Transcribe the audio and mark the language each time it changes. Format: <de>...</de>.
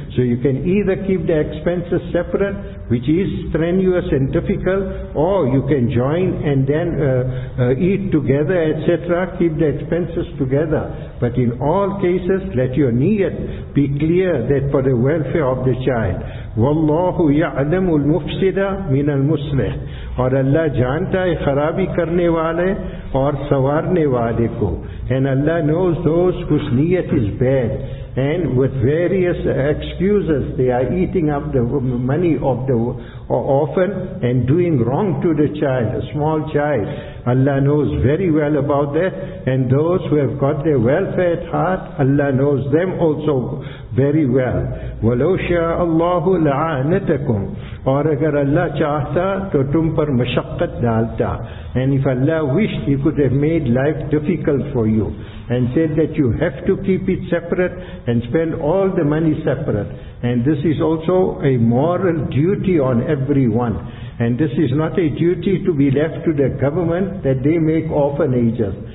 <en>So you can either keep the expenses separate, which is strenuous and difficult, or you can join and then eat together, etc. Keep the expenses together. But in all cases, let your niyat be clear that for the welfare of the child.</en> <ar>وَاللَّهُ يَعْلَمُ الْمُفْسِدَ مِنَ الْمُسْلِحِ.</ar> <ur>اور اللہ جانتا ہے خرابی کرنے والے اور سوارنے والے کو.</ur> <en>And Allah knows those whose niyat is bad, and with various excuses they are eating up the money of the orphan and doing wrong to the child, a small child. Allah knows very well about that. And those who have got their welfare at heart, Allah knows them also very well.</en> <ar>وَلَوْ شَاءَ اللَّهُ لَعَانَتَكُمْ.</ar> <ur>اور اگر اللہ چاہتا تو تم پر مشقت ڈالتا.</ur> <en>And if Allah wished, He could have made life difficult for you and said that you have to keep it separate and spend all the money separate. And this is also a moral duty on everyone. And this is not a duty to be left to the government, that they make orphanages.</en>